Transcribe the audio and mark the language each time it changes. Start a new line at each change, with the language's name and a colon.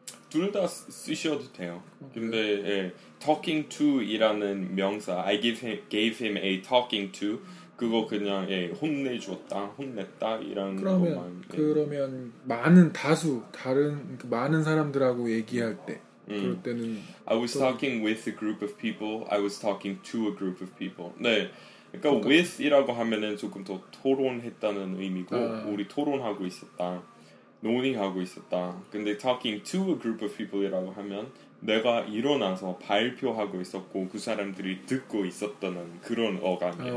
Korean: 둘 다 쓰셔도 돼요. 근데 예, talking to 이라는 명사
English: I gave him a talking to
Korean: 그거 그냥 예, 혼내주었다, 혼냈다 이런 그러면, 것만 예. 그러면 많은 다수 다른 많은 사람들하고 얘기할 때 그럴 때는
English: I was talking with a group of people. I was talking to a group of people.
Korean: 네, 그러니까 with이라고 하면은 조금 더 토론했다는 의미고 우리 토론하고 있었다. 논의하고 있었다. 근데
English: talking to a group of people
Korean: 이라고 하면 내가 일어나서 발표하고 있었고 그 사람들이 듣고 있었다는 그런 어감이에요.